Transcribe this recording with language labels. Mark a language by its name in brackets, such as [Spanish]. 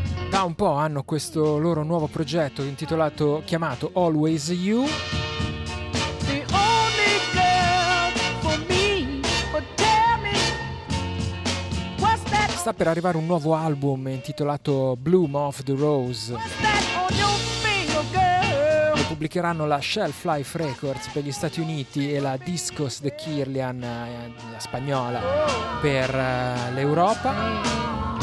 [Italian] Da un po' hanno questo loro nuovo progetto intitolato, chiamato Always You. [English] The only girl for me, but tell me, what's that? [Italian] Sta per arrivare un nuovo album intitolato Bloom of the Rose. Lo pubblicheranno la Shelf Life Records per gli Stati Uniti e la Discos de Kirlian, la spagnola, per l'Europa.